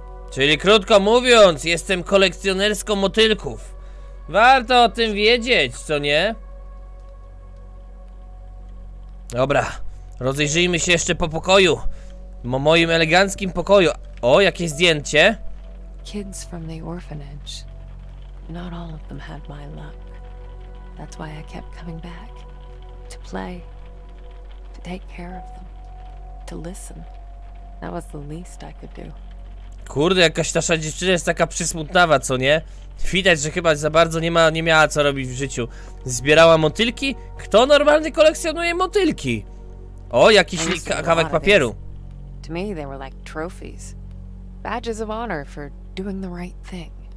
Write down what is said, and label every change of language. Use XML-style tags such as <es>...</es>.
<pl>Czyli krótko mówiąc, jestem kolekcjonerską motylków. Warto o tym wiedzieć, co nie? Dobra, rozejrzyjmy się jeszcze po pokoju. Po moim eleganckim pokoju. O, jakie zdjęcie.</pl> <en>Kids from the orphanage. Not all of them had my luck. That's why I kept coming back. To play. To take care of them. To listen. That was the least I could do.</en> <pl>Kurde, jakaś nasza dziewczyna jest taka przysmutnawa, co nie? Widać, że chyba za bardzo nie miała co robić w życiu. Zbierała motylki? Kto normalny kolekcjonuje motylki? O, jakiś kawałek papieru.</pl> <en>To me they were like trophies. Badges of honor for doing the right thing.</en>